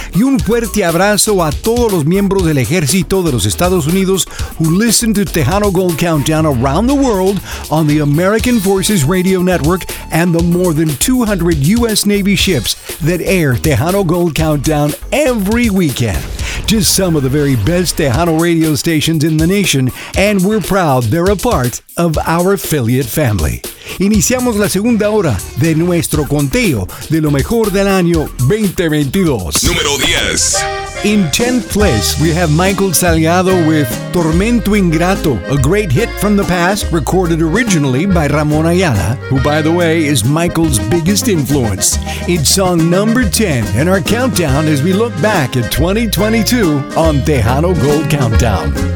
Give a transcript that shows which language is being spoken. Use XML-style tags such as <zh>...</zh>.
<es>Y un fuerte abrazo a todos los miembros del ejército de los Estados Unidos</es> <en>who listen to Tejano Gold Countdown around the world on the American Forces Radio Network and the more than 200 U.S. Navy ships that air Tejano Gold Countdown every weekend. Just some of the very best Tejano radio stations in the nation, and we're proud they're a part of our affiliate family.</en> <es>Iniciamos la segunda hora de nuestro conteo de lo mejor del año 2022. Número 10.</es> <en>In 10th place, we have Michael Salgado with Tormento Ingrato, a great hit from the past recorded originally by Ramon Ayala, who, by the way, is Michael's biggest influence. It's song number 10 in our countdown as we look back at 2022 on Tejano Gold Countdown.</en>